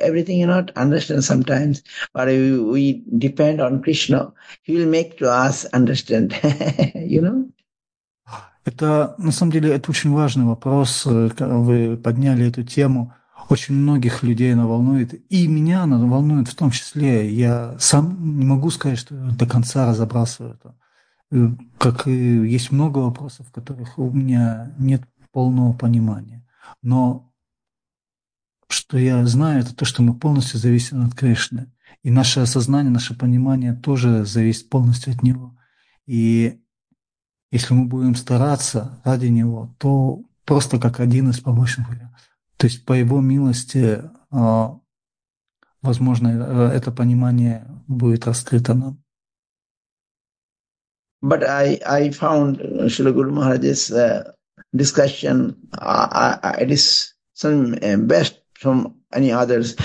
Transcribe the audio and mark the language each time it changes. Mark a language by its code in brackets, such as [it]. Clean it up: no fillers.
[en] Everything you not understand sometimes, but we depend on Krishna. He will make to us understand, you know. [ru] Это, на самом деле, это очень важный вопрос, когда вы подняли эту тему. Очень многих людей она волнует, и меня она волнует в том числе. Я сам не могу сказать, что до конца разобрался в этом. Как и есть много вопросов, в которых у меня нет полного понимания. Но что я знаю, это то, что мы полностью зависим от Кришны. И наше осознание, наше понимание тоже зависит полностью от Него. И если мы будем стараться ради Него, то просто как один из помощников. То есть по Его милости, возможно, это понимание будет раскрыто нам. [en] But I found Srila Guru Maharaj's discussion, it is some best from any others.